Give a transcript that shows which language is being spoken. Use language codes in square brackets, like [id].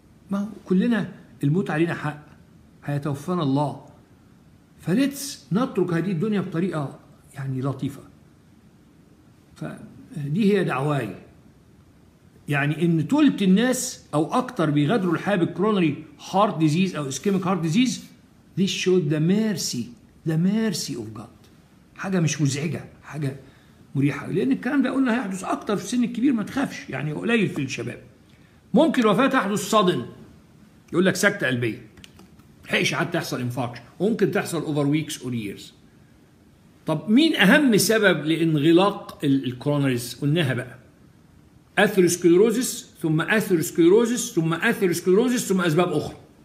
[ar] ما كلنا الموت علينا حق، هيتوفانا الله، فليتس نترك هذه الدنيا بطريقة يعني لطيفة. فدي هي دعواي، يعني ان تلت الناس او اكتر بيغادروا الحياة كورونري هارت ديزيز او اسكيميك هارت ديزيز. [en] This showed the mercy, the mercy of God. [ar] حاجة مش مزعجة، حاجة مريحة، لان الكلام ده قلنا هيحدث اكتر في السن الكبير، ما تخافش، يعني قليل في الشباب. ممكن الوفاة تحدث صدن، يقول لك سكتة قلبية، حقش حتى تحصل انفاركش، وممكن تحصل [en] over weeks or years. [ar] طب مين اهم سبب لانغلاق الكورونريز؟ قلناها بقى اثيروسكليروزيس ثم اثيروسكليروزيس ثم اثيروسكليروزيس ثم اسباب اخرى.